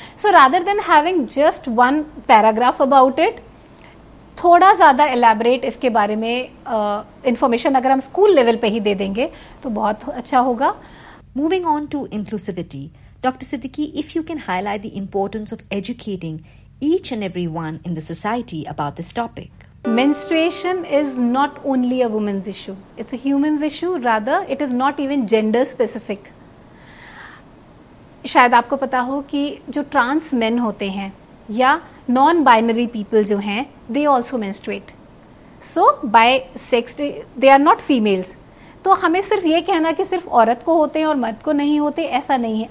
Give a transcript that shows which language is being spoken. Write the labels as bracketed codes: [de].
[en] so rather than having just one paragraph about it, [hi] थोड़ा ज़्यादा elaborate इसके बारे में इंफॉर्मेशन अगर हम स्कूल लेवल पे ही दे देंगे तो बहुत अच्छा होगा। [en] Moving on to inclusivity, doctor Siddiqui, if you can highlight the importance of educating each and every one in the society about this topic. Menstruation is not only a woman's issue, it's a human's issue, rather it is not even gender specific. [hi] शायद आपको पता हो कि जो trans main होते हैं या non binary people जो हैं [en] They also menstruate, so by sex they are not females. [hi] तो हमें सिर्फ ये कहना कि सिर्फ औरत को होते हैं और मर्द को नहीं होते, ऐसा नहीं है।